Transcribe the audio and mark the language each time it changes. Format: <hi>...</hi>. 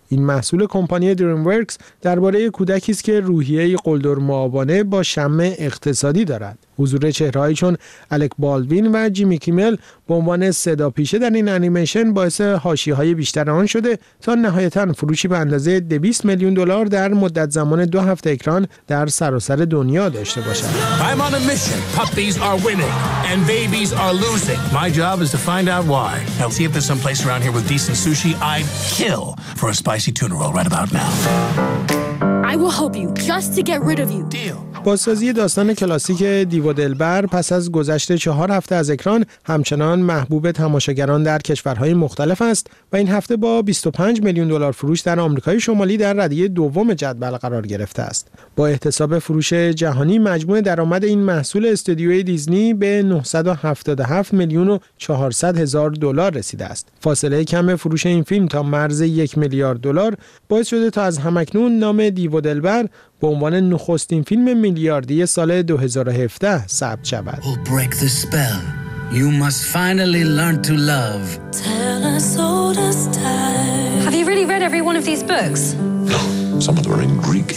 <fa>این محصول کمپانی دریم ورکس درباره کودکی است که روحیه‌ای قلدر معابانه با شمع اقتصادی دارد. حضور چهره‌ای چون الک بالوین و جیمی کیمل به عنوان صداپیشه در این انیمیشن باعث حاشیه‌های بیشتر آن شده تا نهایتاً فروشی به اندازه 200 میلیون دلار در مدت زمان 2 هفته اکران در سراسر دنیا داشته باشد.</fa> <en>I'm on a mission. Puppies are winning and babies are losing. My job is to find out why. I'll see if there's some place around here with decent sushi. I'd kill for a spicy tuna roll right about now. I will help you just to get rid of you. Deal.</en> <fa>بازسازی داستان کلاسیک دیو و دلبر پس از گذشت 4 هفته از اکران همچنان محبوب تماشاگران در کشورهای مختلف است و این هفته با 25 میلیون دلار فروش در آمریکای شمالی در ردیه دوم جدول قرار گرفته است. با احتساب فروش جهانی مجموع درآمد این محصول استودیوی دیزنی به 977 میلیون و 400 هزار دلار رسیده است. فاصله کم فروش این فیلم تا مرز 1 میلیارد دلار باعث شده تا از همکنون نام دیو و دلبر به عنوان نخستین فیلم میلیاردی سال 2017 ثبت شود.</fa> <en>We'll break the spell. You must finally learn to love. Tell us all the time. Have you really read every one of these books? No. Some of them are in Greek.</en>